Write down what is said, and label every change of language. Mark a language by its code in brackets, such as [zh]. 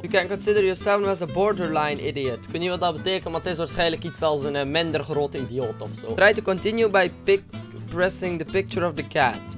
[en] You can consider yourself as a borderline idiot. [nl] Ik weet niet wat dat betekent, maar het is waarschijnlijk iets als een minder groot idioot of zo. [en] Try to continue by pressing the picture of the cat.